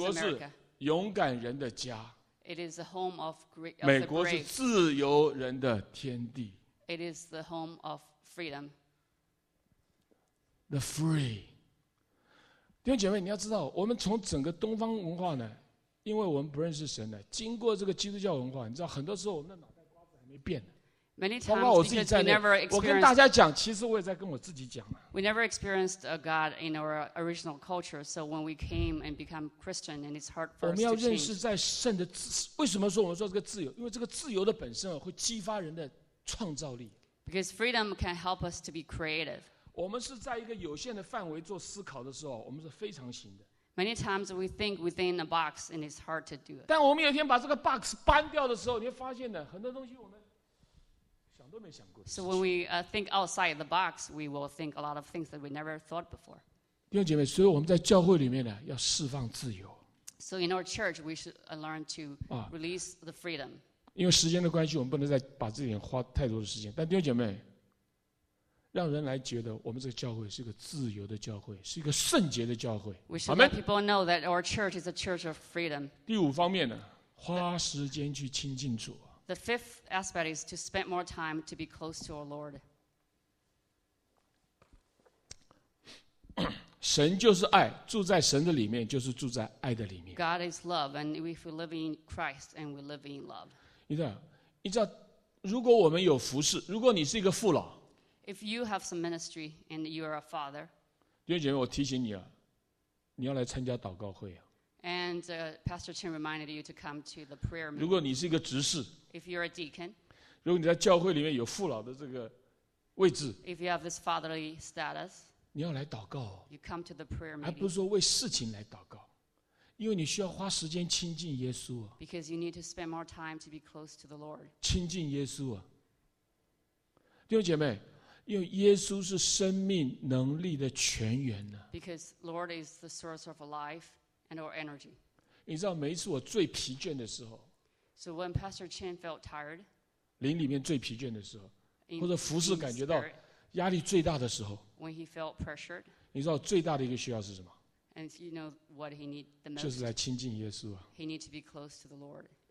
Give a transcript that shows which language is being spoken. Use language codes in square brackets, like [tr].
[zh] 美国是勇敢人的家。 [en] It is the home of the brave. [zh] 美国是自由人的天地。 [en] It is the home of freedom. The free. [zh] 弟兄姐妹，你要知道，我们从整个东方文化呢，因为我们不认识神呢，经过这个基督教文化，你知道，很多时候我们的脑袋瓜子还没变呢。 [en] Many times, [zh] 包括我自己在内，我跟大家讲，其实我也在跟我自己讲啊。 [en] We never experienced a God in our original culture, so when we came and become Christian, and it's hard for us to change. [zh] 我们要认识在圣的自，为什么说我们说这个自由？因为这个自由的本身啊，会激发人的创造力。 [en] Because freedom can help us to be creative. [zh] 我们是在一个有限的范围做思考的时候，我们是非常行的。 [en] Many times we think within a box and it's hard to do it. [zh] 但我们有一天把这个 box 搬掉的时候，你会发现呢，很多东西我们想都没想过。 [en] So when we think outside the box, we will think a lot of things that we never thought before. [zh] 弟兄姐妹，所以我们在教会里面呢，要释放自由。 [en] So in our church, we should learn to release the freedom. [zh] 因为时间的关系，我们不能再把这点花太多的时间。但弟兄姐妹。让人来觉得我们这个教会是一个自由的教会，是一个圣洁的教会。 [en] We should let people know that our church is a church of freedom. [zh] 第五方面呢，花时间去亲近主。 [en] The fifth aspect is to spend more time to be close to our Lord. [zh] 神就是爱，住在神的里面，就是住在爱的里面。 [en] God is love, and if we live in Christ, and we live in love. [zh] 你知道，如果我们有服事，如果你是一个父老。 [en] If you have some ministry and you are a father, [zh] 弟兄姐妹，我提醒你啊，你要来参加祷告会啊。 [en] And Pastor Chen reminded you to come to the prayer meeting. [zh] 如果你是一个执事 [en] ，If you're a deacon, [zh] 如果你在教会里面有父老的这个位置 [en] ，If you have this fatherly status, [zh] 你要来祷告。 [en] You come to the prayer meeting. [zh] 还不是说为事情来祷告，因为你需要花时间亲近耶稣啊。 [en] Because you need to spend more time to be close to the Lord. [zh] 亲近耶稣啊，弟兄姐妹。因为耶稣是生命能力的泉源呢。 [en] Because Lord is the source of life and our energy. [zh] 你知道每一次我最疲倦的时候 [en] ，So when Pastor Chen felt tired, [zh] 灵里面最疲倦的时候，或者服事感觉到压力最大的时候 [en] ，When he felt pressured, [zh] 你知道最大的一个需要是什么 [en] ？And you know what he need the most? [zh] 就是来亲近耶稣啊。 [en] He need to be close to the Lord.